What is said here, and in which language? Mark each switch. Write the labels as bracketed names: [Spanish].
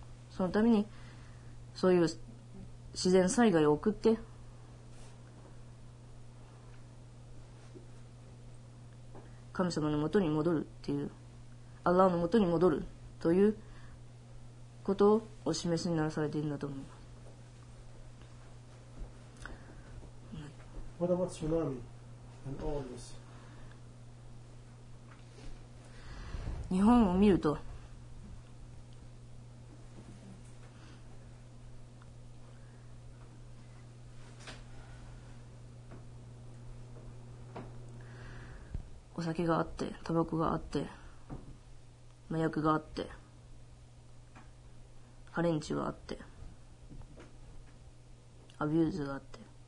[Japanese] そのためにそういう自然災害を送って神様の元に戻るっていう、アラーの元に戻るということをお示しにならされているんだと思います。 [English] What about tsunami and all this? [Japanese] 日本を見ると お酒があって、タバコがあって、麻薬があって、ハレンチがあって、アビューズがあって、